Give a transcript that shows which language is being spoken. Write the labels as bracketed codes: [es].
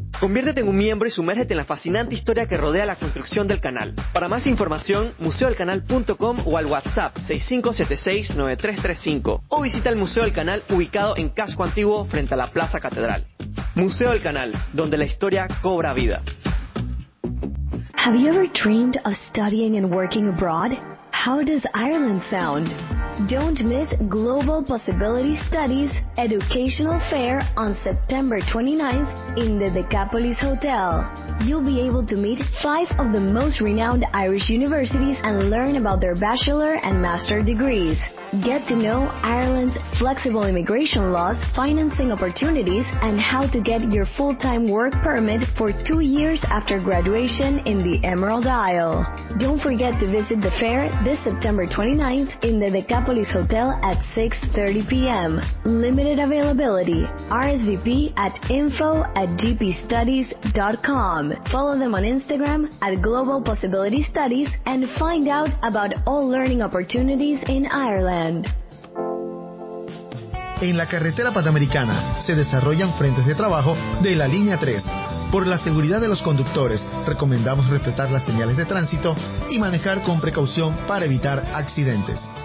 [es] Conviértete en un miembro y sumérgete en la fascinante historia que rodea la construcción del canal. Para más información, museodelcanal.com o al WhatsApp 6576-9335 o visita el Museo del Canal ubicado en Casco Antiguo frente a la Plaza Catedral. Museo del Canal, donde la historia cobra vida. [en] Have you ever dreamed of studying and working abroad? How does Ireland sound? Don't miss Global Possibility Studies Educational Fair on September 29th in the Decapolis Hotel. You'll be able to meet five of the most renowned Irish universities and learn about their bachelor and master degrees. Get to know Ireland's flexible immigration laws, financing opportunities, and how to get your full-time work permit for 2 years after graduation in the Emerald Isle. Don't forget to visit the fair this September 29th in the Decapolis Hotel at 6:30 p.m. Limited availability. RSVP at info@gpstudies.com. Follow them on Instagram at Global Possibility Studies and find out about all learning opportunities in Ireland. [es] En la carretera Panamericana se desarrollan frentes de trabajo de la línea 3. Por la seguridad de los conductores, recomendamos respetar las señales de tránsito y manejar con precaución para evitar accidentes.